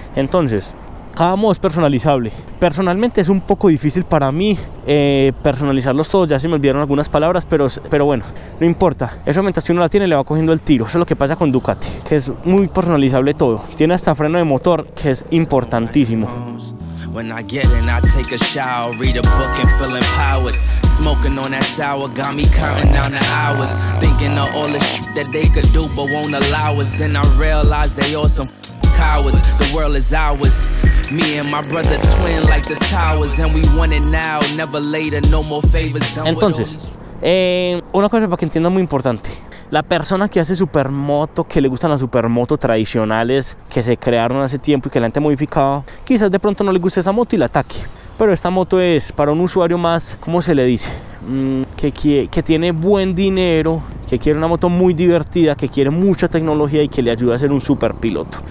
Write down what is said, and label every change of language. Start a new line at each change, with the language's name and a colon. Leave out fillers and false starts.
Spanish: Entonces, cada modo es personalizable. Personalmente es un poco difícil para mí personalizarlos todos. Ya se me olvidaron algunas palabras, pero bueno, no importa. Eso mientras que uno la tiene, le va cogiendo el tiro. Eso es lo que pasa con Ducati, que es muy personalizable todo. Tiene hasta freno de motor, que es importantísimo.
English: When I get in, I take a shower, read a book and feel empowered. Smoking on that sour got me counting down the hours, thinking of all the shit that they could do but won't allow us. Then I realize they all some cowards. The world is ours. Me and my brother twin like the towers, and we want it now, never later, no more favors.
Spanish: Entonces, una cosa para que entiendan muy importante. La persona que hace supermoto, que le gustan las supermoto tradicionales que se crearon hace tiempo y que la gente modificaba, quizás de pronto no le guste esa moto y la ataque. Pero esta moto es para un usuario más, ¿cómo se le dice? Que tiene buen dinero, que quiere una moto muy divertida, que quiere mucha tecnología y que le ayude a ser un superpiloto.